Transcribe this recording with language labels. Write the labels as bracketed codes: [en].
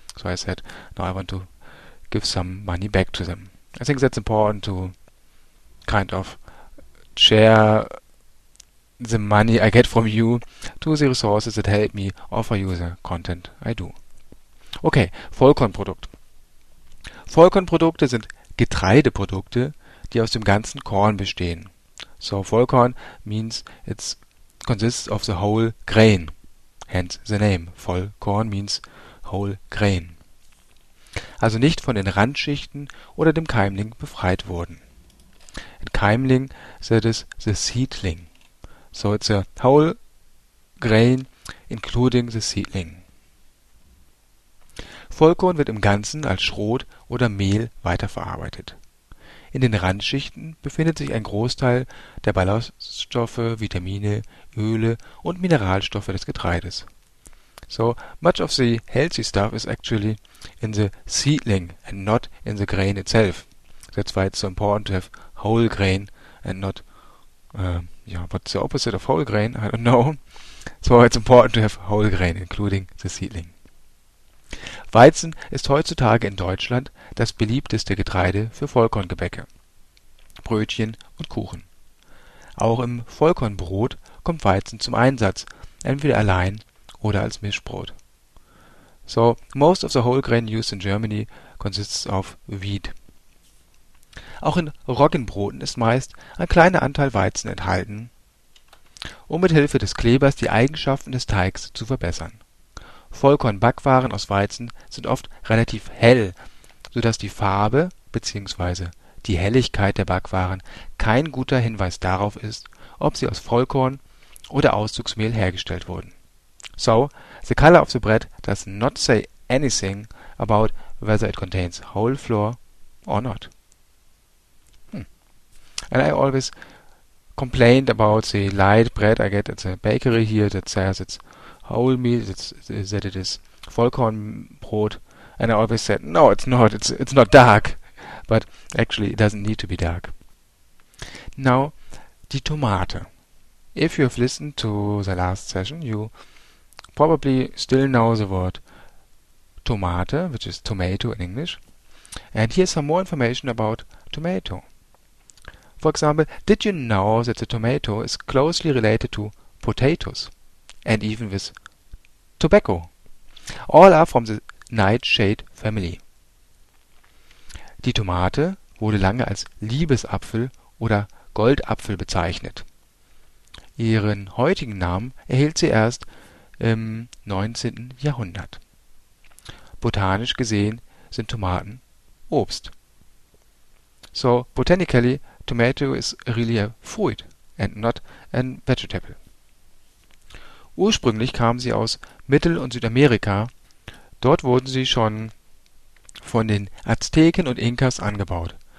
[en] So I said, now I want to give some money back to them. I think that's important to kind of share the money I get from you to the resources that help me offer you the content I do. [de] Okay, Vollkornprodukt. Vollkornprodukte sind Getreideprodukte, die aus dem ganzen Korn bestehen. [en] So, Vollkorn means it consists of the whole grain, hence the name. Vollkorn means whole grain. [de] Also nicht von den Randschichten oder dem Keimling befreit wurden. Ein Keimling, [en] that is the seedling. So, it's a whole grain including the seedling. [de] Vollkorn wird im Ganzen als Schrot oder Mehl weiterverarbeitet. In den Randschichten befindet sich ein Großteil der Ballaststoffe, Vitamine, Öle und Mineralstoffe des Getreides. [en] So much of the healthy stuff is actually in the seedling and not in the grain itself. That's why it's so important to have whole grain and not, what's the opposite of whole grain? I don't know. So it's important to have whole grain, including the seedling. [de] Weizen ist heutzutage in Deutschland das beliebteste Getreide für Vollkorngebäcke, Brötchen und Kuchen. Auch im Vollkornbrot kommt Weizen zum Einsatz, entweder allein oder als Mischbrot. [en] So, most of the whole grain used in Germany consists of wheat. [de] Auch in Roggenbroten ist meist ein kleiner Anteil Weizen enthalten, um mit Hilfe des Klebers die Eigenschaften des Teigs zu verbessern. Vollkornbackwaren aus Weizen sind oft relativ hell, sodass die Farbe bzw. die Helligkeit der Backwaren kein guter Hinweis darauf ist, ob sie aus Vollkorn oder Auszugsmehl hergestellt wurden. [en] So, the color of the bread does not say anything about whether it contains whole flour or not. And I always complained about the light bread I get at the bakery here that says it's whole meal, that it is Vollkornbrot. And I always said, no, it's not, it's not dark. But actually, it doesn't need to be dark. Now, [de] die Tomate. [en] If you have listened to the last session, you probably still know the word Tomate, which is tomato in English. And here's some more information about tomato. For example, did you know that the tomato is closely related to potatoes and even with tobacco? All are from the nightshade family. [de] Die Tomate wurde lange als Liebesapfel oder Goldapfel bezeichnet. Ihren heutigen Namen erhielt sie erst im 19. Jahrhundert. Botanisch gesehen sind Tomaten Obst. [en] So, botanically, tomato is really a fruit and not a vegetable. [de] Ursprünglich kamen sie aus Mittel- und Südamerika. Dort wurden sie schon von den Azteken und Inkas angebaut.